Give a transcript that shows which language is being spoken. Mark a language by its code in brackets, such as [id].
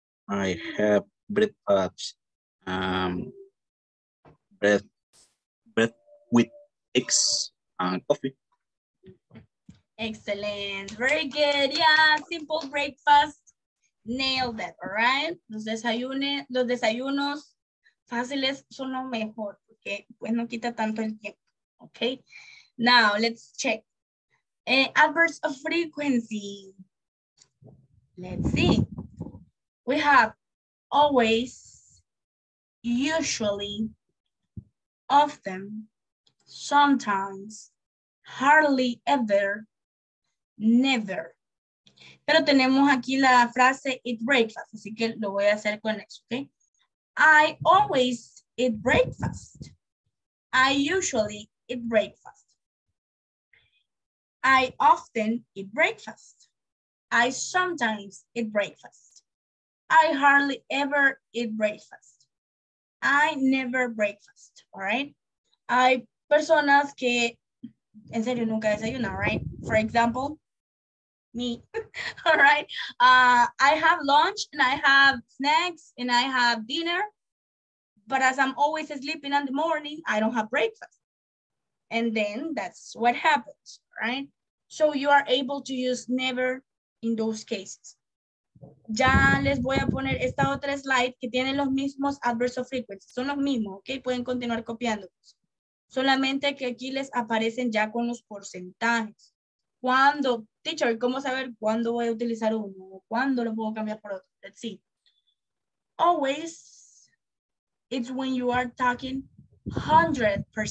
[en] I have breakfast bread with eggs and coffee. Excellent, very good, yeah, simple breakfast, nailed that, all right? [es] Los desayunos fáciles son lo mejor, porque pues no quita tanto el tiempo, okay? [en] Now, let's check. Adverbs of frequency. Let's see. We have always, usually, often, sometimes, hardly ever, never. [es] Pero tenemos aquí la frase [en] eat breakfast, [es] así que lo voy a hacer con eso, ¿ok? [en] I always eat breakfast. I usually eat breakfast. I often eat breakfast. I sometimes eat breakfast. I hardly ever eat breakfast. I never breakfast, all right? [es] Hay personas que en serio nunca desayunan, [en] right? For example, me. All right. I have lunch and I have snacks and I have dinner. But as I'm always sleeping in the morning, I don't have breakfast. And then that's what happens, right? So you are able to use never in those cases. [es] Ya les voy a poner esta otra slide que tiene los mismos [en] adverbs of frequency. [es] Son los mismos, okay? Pueden continuar copiándolos. Solamente que aquí les aparecen ya con los porcentajes. Cuando, teacher, ¿cómo saber cuándo voy a utilizar uno? ¿Cuándo lo puedo cambiar por otro? [en] Let's see. Always, it's when you are talking 100%.